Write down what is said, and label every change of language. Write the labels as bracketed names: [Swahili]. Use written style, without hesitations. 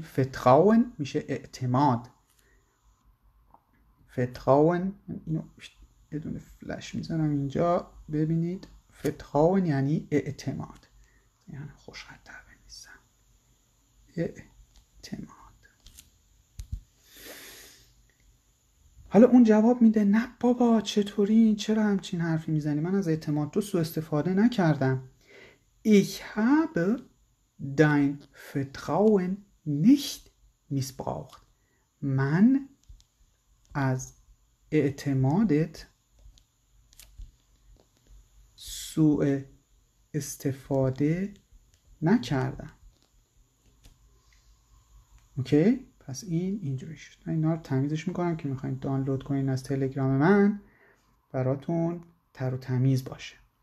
[Persian] فتراون میشه اعتماد. فتراون، اینو یه دونه فلش میزنم اینجا ببینید، فتراون یعنی اعتماد، یعنی خوشحال‌تر بنویسم اعتماد. حالا اون جواب میده نه بابا چطوری این چرا همچین حرفی میزنی، من از اعتماد تو سوء استفاده نکردم. [German] Ich habe dein Vertrauen nicht missbraucht. [Persian] من از اعتمادت سوء استفاده نکردم. اوکی؟ پس این اینجوری شد. من اینا رو تمیزش میکنم که میخواین دانلود کنین از تلگرام من براتون تر و تمیز باشه.